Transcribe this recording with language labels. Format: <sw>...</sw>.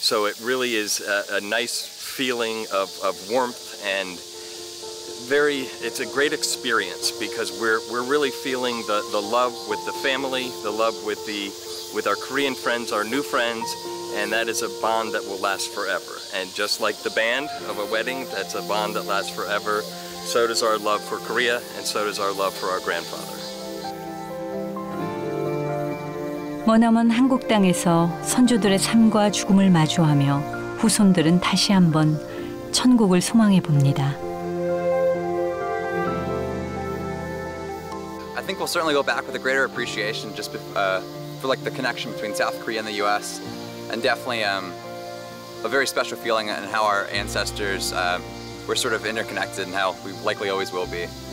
<en>So it really is a nice feeling of warmth and it's a great experience because we're really feeling the love with the family, the love with our Korean friends, our new friends, and that is a bond that will last forever. And just like the band of a wedding, that's a bond that lasts forever. So does our love for Korea, and so does our love for our grandfather.</en> <ko>머나먼 한국 땅에서 선조들의 삶과 죽음을 마주하며 후손들은 다시 한번 천국을 소망해 봅니다.</ko> <en>I think we'll certainly go back with a greater appreciation just for like the connection between South Korea and the U.S. and definitely a very special feeling and how our ancestors were sort of interconnected and how we likely always will be.</en>